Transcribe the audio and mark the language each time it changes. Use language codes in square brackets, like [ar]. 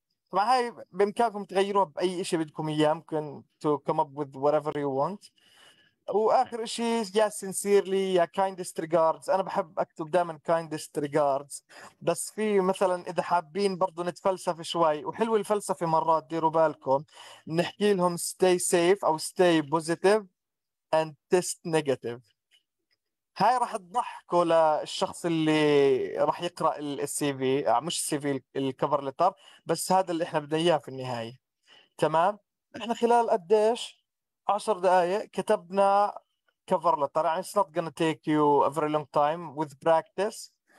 [ar] طبعا هاي بامكانكم تغيروها باي شيء بدكم اياه. ممكن [en] to come up with whatever you want. [ar] واخر شيء يا [en] sincerely [ar] يا [en] kindest regards. [ar] انا بحب اكتب دائما [en] kindest regards. [ar] بس في مثلا اذا حابين برضو نتفلسف شوي وحلو الفلسفه مرات ديروا بالكم نحكي لهم [en] stay safe [ar] او [en] stay positive and test negative. [ar] هاي راح تضحكوا للشخص اللي راح يقرأ السي في مش السي في الكفر لتر بس هذا اللي احنا بدنا اياه في النهاية. تمام. احنا خلال قديش 10 دقائق كتبنا كفر لتر. [en] يعني it's not gonna take you a very long time with practice.